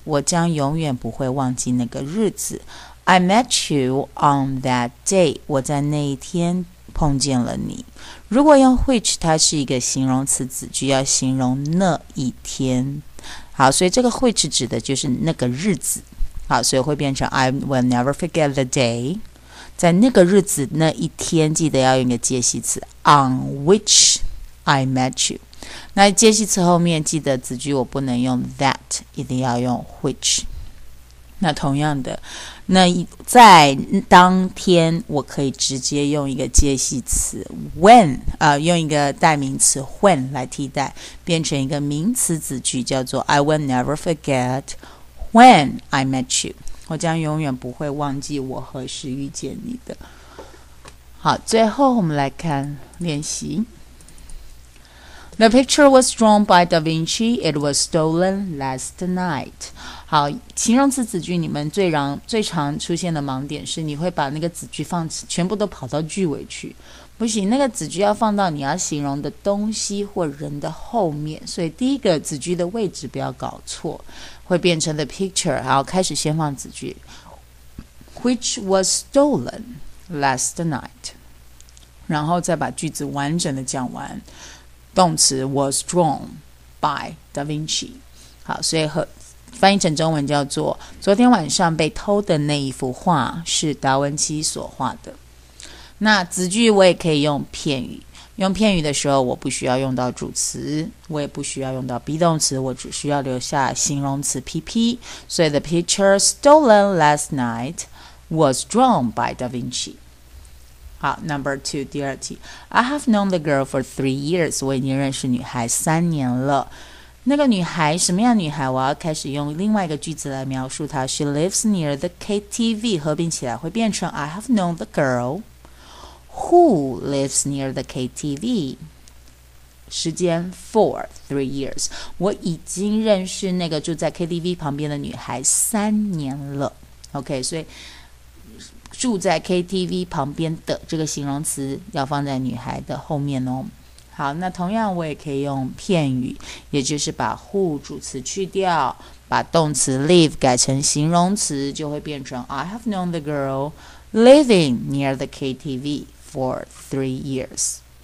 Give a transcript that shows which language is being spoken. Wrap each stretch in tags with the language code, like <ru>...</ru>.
<zh>我将永远不会忘记那个日子。</zh> <en>I met you on that day.</en> <zh>我在那一天碰见了你。如果用 which， 它是一个形容词子句，要形容那一天。好，所以这个 which 指的就是那个日子。好，所以会变成</zh> <en>I will never forget the day.</en> <zh>在那个日子那一天，记得要用一个介系词</zh> <en>on which I met you。</en> <zh>那介系词后面记得子句我不能用 that， 一定要用 which。那同样的，那在当天我可以直接用一个介系词 when， 用一个代名词 when 来替代，变成一个名词子句，叫做</zh> <en>I will never forget when I met you，</en> <zh>我将永远不会忘记我何时遇见你的。好，最后我们来看练习。</zh> <en>The picture was drawn by Da Vinci. It was stolen last night.</en> <zh>好，形容词子句你们最常出现的盲点是你会把那个子句放全部都跑到句尾去。不行，那个子句要放到你要形容的东西或人的后面，所以第一个子句的位置不要搞错，会变成</zh> <en>the picture。</en> <zh>好，开始先放子句</zh> <en>which was stolen last night，</en> <zh>然后再把句子完整的讲完。动词 was drawn by Da Vinci。好，所以翻译成中文叫做昨天晚上被偷的那一幅画是达文奇所画的。那子句我也可以用片语，用片语的时候我不需要用到主词，我也不需要用到 be 动词，我只需要留下形容词 PP。所以</zh> <en>the picture stolen last night was drawn by Da Vinci。</en> <zh>好 ，</zh> <en>Number two，</en> <zh>第二题。</zh> <en>I have known the girl for 3 years.</en> <zh>我已经认识女孩三年了。那个女孩什么样女孩？我要开始用另外一个句子来描述她。</zh> <en>She lives near the KTV.</en> <zh>合并起来会变成</zh> <en>I have known the girl who lives near the KTV.</en> <zh>时间</zh> <en>for 3 years.</en> <zh>我已经认识那个住在 KTV 旁边的女孩三年了。 OK， 所以。住在 KTV 旁边的这个形容词要放在女孩的后面哦。好，那同样我也可以用片语，也就是把 who 主词去掉，把动词 live 改成形容词，就会变成</zh> <en>I have known the girl living near the KTV for 3 years。</en>